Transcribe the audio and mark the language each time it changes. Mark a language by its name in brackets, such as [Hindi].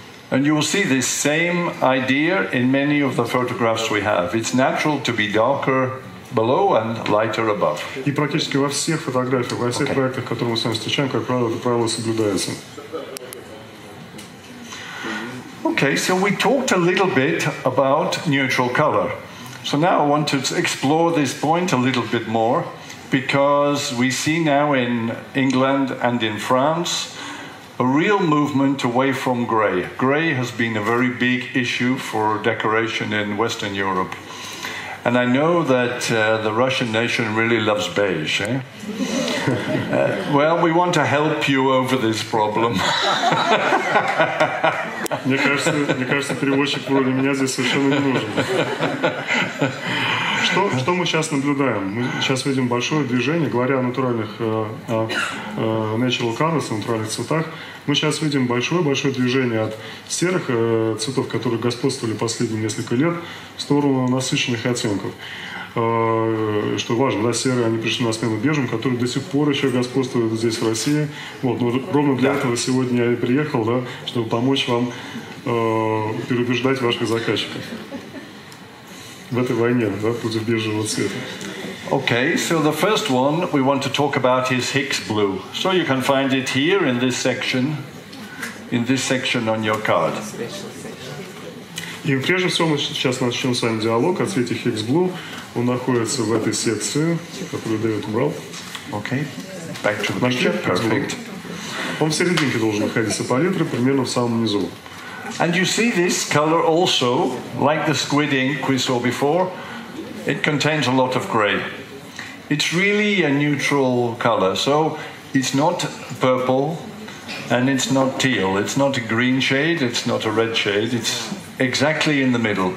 [English] And you will see this same idea in many of the photographs we have. It's natural to be darker below and lighter above. [Russian] И практически во всех фотографиях, во всех проектах, которые мы с вами встречаем, как правило, это правило соблюдается. [English] Okay, so we talked a little bit about neutral color. So now I want to explore this point a little bit more, because we see now in England and in France a real movement away from grey. Grey has been a very big issue for decoration in Western Europe. And I know that the Russian nation really loves beige, eh? Well, we want to help you over this problem. [Russian] Мне кажется, переводчик вроде меня здесь совершенно не нужен. Что мы сейчас наблюдаем? Мы сейчас видим большое движение, говоря о натуральных [English] natural colors, [Russian] о натуральных цветах. Мы сейчас видим большое-большое движение от серых цветов, которые господствовали последние несколько лет, в сторону насыщенных оттенков. Что важно, да, серые, они пришли на смену бежевым, которые до сих пор еще господствуют здесь, в России. Вот, но ровно для этого сегодня я и приехал, да, чтобы помочь вам переубеждать ваших заказчиков в этой войне, да, против бежевого цвета. [English] Okay, so the first one we want to talk about is Hicks Blue. So you can find it here in this section on your card. [Russian] И прежде всего мы сейчас начнем с вами диалог о цвете Hicks Blue. Он находится в этой секции, которую Дэвид убрал. [English] Okay, back to the picture. Perfect. [Russian] Он в серединке должен находиться палитры, примерно в самом низу. [English] And you see this color also, like the squid ink we saw before, it contains a lot of gray. It's really a neutral color, so it's not purple and it's not teal. It's not a green shade, it's not a red shade, it's exactly in the middle.